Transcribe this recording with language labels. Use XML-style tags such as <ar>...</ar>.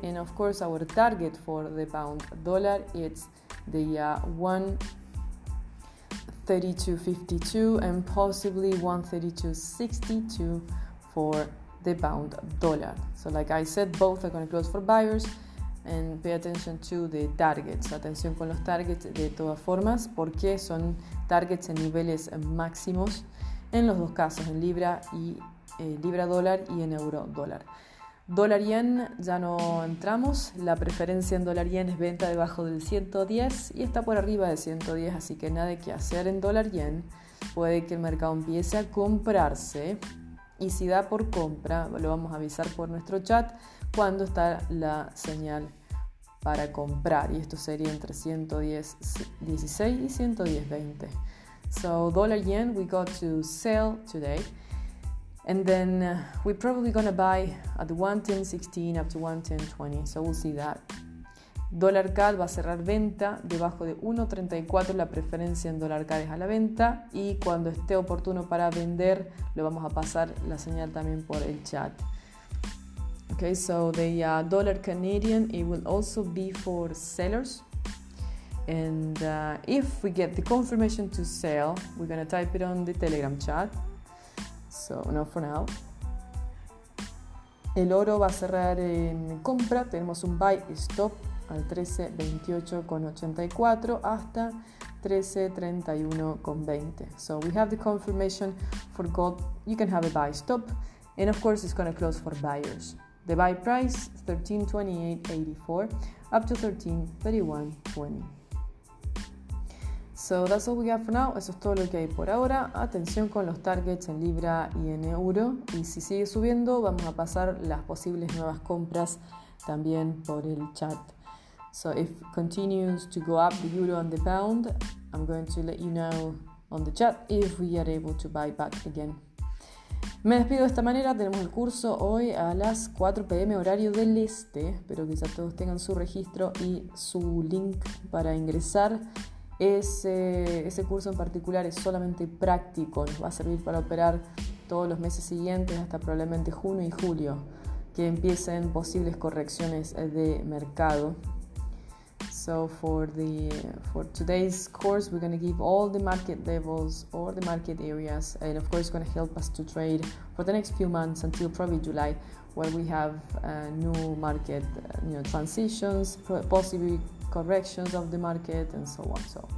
<en>And of course, our target for the pound dollar is the 1.3252 and possibly 1.3262 for the pound dollar. So, like I said, both are going to close for buyers. And pay attention to the targets.</en> <es>Atención con los targets de todas formas, porque son targets en niveles máximos. En los dos casos, en libra y libra dólar y en euro dólar. Dólar yen, ya no entramos. La preferencia en dólar yen es venta debajo del 110 y está por arriba de 110, así que nada que hacer en dólar yen. Puede que el mercado empiece a comprarse y si da por compra, lo vamos a avisar por nuestro chat cuando está la señal para comprar. Y esto sería entre 110.16 y 110.20.</es> <en>So dollar yen, we got to sell today, and then we're probably gonna buy at 1.1016 up to 1.1020. So we'll see that.</en> <es>Dollar CAD va a cerrar venta debajo de 1.34. La preferencia en dollar CAD es a la venta, y cuando esté oportuno para vender, lo vamos a pasar la señal también por el chat.</es> <en>Okay, so the dollar Canadian, it will also be for sellers. And if we get the confirmation to sell, we're going to type it on the Telegram chat. So, no for now.</en> <es>El oro va a cerrar en compra. Tenemos un buy stop al 1328.84 hasta 1331.20.</es> <en>So, we have the confirmation for gold. You can have a buy stop. And of course, it's going to close for buyers. The buy price, 1328.84 up to 1331.20. So that's all we got for now.</en> <es>Eso es todo lo que hay por ahora. Atención con los targets en libra y en euro. Y si sigue subiendo, vamos a pasar las posibles nuevas compras también por el chat.</es> <en>So if continues to go up the euro and the pound, I'm going to let you know on the chat if we are able to buy back again.</en> <es>Me despido de esta manera. Tenemos el curso hoy a las 4 p.m. horario del este. Espero que ya todos tengan su registro y su link para ingresar. Ese curso en particular es solamente práctico, nos va a servir para operar todos los meses siguientes hasta probablemente junio y julio, que empiecen posibles correcciones de mercado.</es> <en>So for today's course, we're going to give all the market levels or the market areas, and of course it's going to help us to trade for the next few months until probably July, where we have new market transitions, possibly corrections of the market and so on.</en>